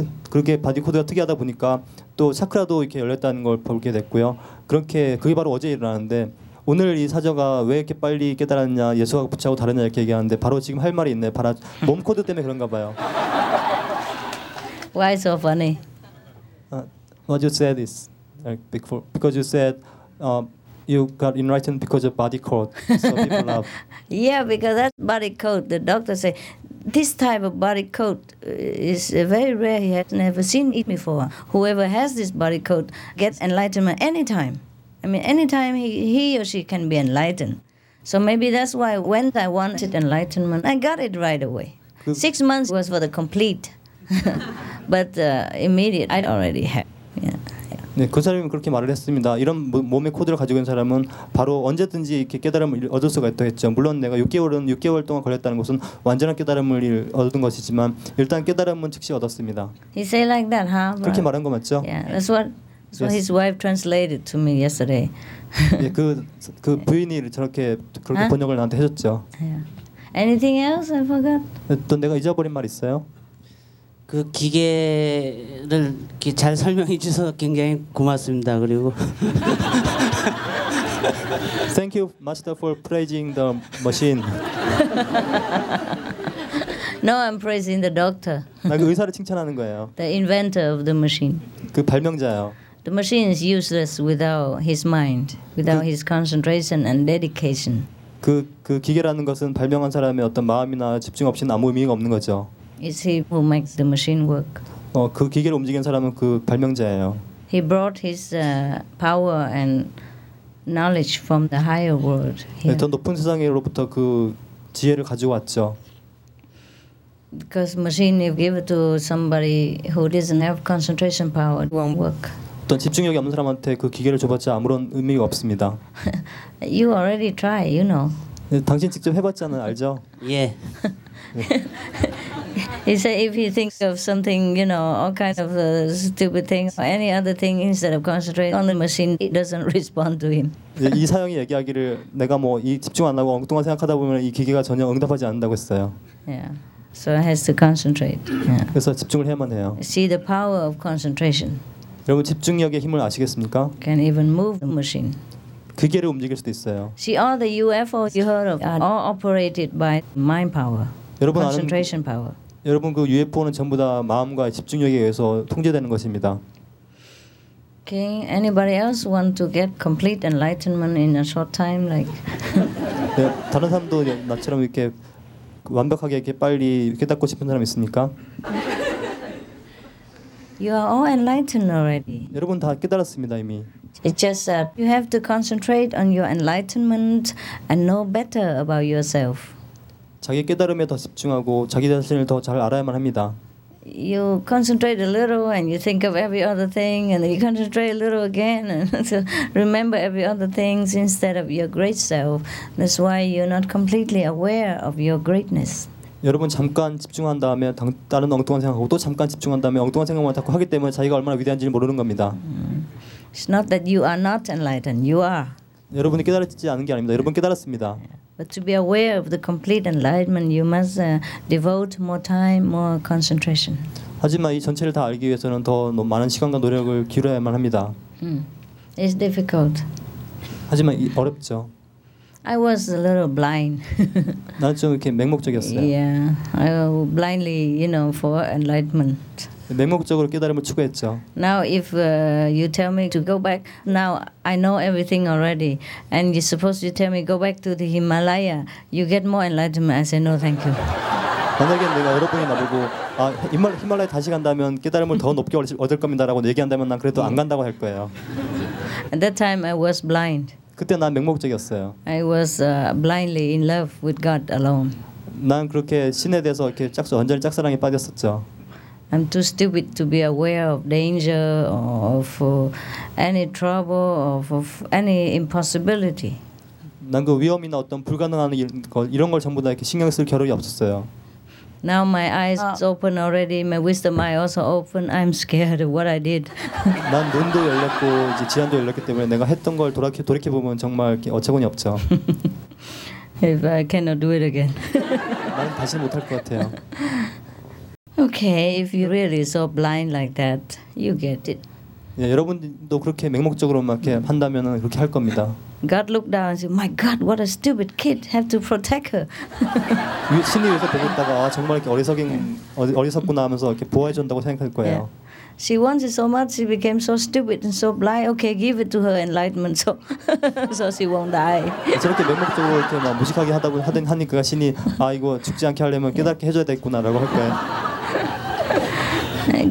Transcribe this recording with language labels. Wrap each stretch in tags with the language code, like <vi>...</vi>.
<ko>그렇게 바디 코드가 특이하다 보니까 또 차크라도 이렇게 열렸다는 걸 보게 됐고요. 그렇게 그게 바로 어제 일어났는데 오늘 이 사저가 왜 이렇게 빨리 깨달았냐 예수가 부처하고 다르냐 이렇게 얘기하는데 바로 지금 할 말이 있네. 바로 몸 코드 때문에 그런가 봐요.</ko> <en>Why so funny? What you said is like because you said you got enlightened because of body code. So people love. Yeah, because that body code, the doctor say, This type of body coat is very rare. He has never seen it before. Whoever has this body coat gets enlightenment anytime. I mean, anytime he or she can be enlightened. So maybe that's why when I wanted enlightenment, I got it right away. 6 months was for the complete. But immediate, I already had. Yeah.</en> <ko>네, 그 사람이 그렇게 말을 했습니다. 이런 몸의 코드를 가지고 있는 사람은 바로 언제든지 이렇게 깨달음을 얻을 수가 있다고 했죠. 물론 내가 6개월 동안 걸렸다는 것은 완전한 깨달음을 얻은 것이지만 일단 깨달음은 즉시 얻었습니다.</ko> <en>He say like that, huh?</en> <ko>그렇게 말한 거 맞죠?</ko> <en>Yeah, that's what his wife translated to me yesterday.</en> <ko>예, 그 부인이 저렇게 그렇게 huh? 번역을 나한테 해줬죠.</ko> <en>Yeah. Anything else I forgot?</en> <ko>또 내가 잊어버린 말 있어요? 그 기계를 이렇게 잘 설명해 주셔서 굉장히 고맙습니다. 그리고</ko> <en>Thank you, Master, for praising the machine. No, I'm praising the doctor.</en> <ko>나 그 의사를 칭찬하는 거예요.</ko> <en>The inventor of the machine.</en> <ko>그 발명자요.</ko> <en>The machine is useless without his mind, without his concentration and dedication.</en> <ko>그 기계라는 것은 발명한 사람의 어떤 마음이나 집중 없이는 아무 의미가 없는 거죠.</ko> <en>Is he who makes the machine work?</en> <ko>그 기계를 움직인 사람은 그 발명자예요.</ko> <en>He brought his power and knowledge from the higher world.</en> <ko>네, 더 높은 세상으로부터 그 지혜를 가지고 왔죠.</ko> <en>Because machine you give to somebody who doesn't have concentration power won't work.</en> <ko>어떤 집중력이 없는 사람한테 그 기계를 줘봤자 아무런 의미가 없습니다.</ko> <en>You already try, you know.</en> <ko>네, 당신 직접 해봤잖아요, 알죠? 예.</ko> <en>He said if he thinks of something, you know, all kinds of stupid things or any other thing instead of concentrating on the machine, it doesn't respond to him.</en> <ko>이 사형이 얘기하기를 내가 뭐 이 집중 안 하고 엉뚱한 생각하다 보면 이 기계가 전혀 응답하지 않는다고 했어요.</ko> <en>Yeah. So it has to concentrate. Yeah.</en> <ko>그래서 집중을 해야만 해요.</ko> <en>See the power of concentration.</en> <ko>여러분 집중력의 힘을 아시겠습니까?</ko> <en>Can even move the machine.</en> <ko>기계를 움직일 수도 있어요.</ko> <en>See all the UFOs you heard of are all operated by mind power. Concentration power.</en> <ko>여러분 그 UFO는 전부 다 마음과 집중력에 의해서 통제되는 것입니다.</ko> <en>Can anybody else want to get complete enlightenment in a short time like?</en> <ko>네, 다른 사람도 나처럼 이렇게 완벽하게 이렇게 빨리 깨닫고 싶은 사람 있습니까?</ko> <en>You are all enlightened already.</en> <ko>여러분 다 깨달았습니다 이미.</ko> <en>It's just that you have to concentrate on your enlightenment and know better about yourself.</en> <ko>자기 깨달음에 더 집중하고 자기 자신을 더 잘 알아야만 합니다.</ko> <en>You concentrate a little and you think of every other thing and then you concentrate a little again and remember every other things instead of your great self. That's why you're not completely aware of your greatness.</en> <ko>여러분 잠깐 집중한 다음에 다른 엉뚱한 생각하고 또 잠깐 집중한 다음에 엉뚱한 생각만 자꾸 하기 때문에 자기가 얼마나 위대한지를 모르는 겁니다.</ko> <en>It's not that you are not enlightened. You are.</en> <ko>여러분이 깨달았지 않은 게 아닙니다. 여러분 깨달았습니다.</ko> <en>But to be aware of the complete enlightenment, you must devote more time, more concentration.</en> <ko>하지만 이 전체를 다 알기 위해서는 더 많은 시간과 노력을 기울여야만 합니다.</ko> <en>It's difficult.</en> <ko>하지만 어렵죠.</ko> <en>I was a little blind.</en> <ko>나는 좀 이렇게 맹목적이었어요.</ko> <en>Yeah, I blindly, you know, for enlightenment.</en> <ko>맹목적으로 깨달음을 추구했죠.</ko> <en>Now if you tell me to go back, now I know everything already. And you suppose you tell me go back to the Himalaya, you get more enlightenment. I say no, thank you.</en> <ko>만약에 내가 여러분이 나보고 아 히말라야 다시 간다면 깨달음을 더 높게 얻을 겁니다라고 얘기한다면 난 그래도 안 간다고 할 거예요.</ko> <en>At that time I was blind.</en> <ko>그때 난 맹목적이었어요.</ko> <en>I was blindly in love with God alone.</en> <ko>난 그렇게 신에 대해서 이렇게 완전히 짝사랑에 빠졌었죠.</ko> <en>I'm too stupid to be aware of danger or of any trouble or of any impossibility.</en> <ko>난 그 위험이나 어떤 불가능한 이런 걸 전부 다 이렇게 신경 쓸 겨를이 없었어요.</ko> <en>Now my eyes open already. My wisdom eye also open. I'm scared of what I did.</en> <ko>난 눈도 열렸고 이제 지안도 열렸기 때문에 내가 했던 걸 돌이켜 보면 정말 어처구니 없죠.</ko> <en>If I cannot do it again.</en> <ko>나는 다시 못할 것 같아요.</ko> <en>Okay, if you really so blind like that, you get it.</en> <ko>예, 여러분도 그렇게 맹목적으로 막 이렇게 한다면은 그렇게 할 겁니다.</ko> <en>God looked down and said, "My God, what a stupid kid! Have to protect her."</en> <ko>신이 여기서 보고 있다가 아, 정말 이렇게 어리석구나 하면서 이렇게 보호해준다고 생각할 거예요. Yeah.</ko> <en>She wants it so much, she became so stupid and so blind. Okay, give it to her enlightenment, so so she won't die.</en> <ko>저렇게 맹목적으로 이렇게 막 무식하게 하다고 하던 하니까 신이 아 이거 죽지 않게 하려면 깨닫게 해줘야 되겠구나라고 할 거예요.</ko>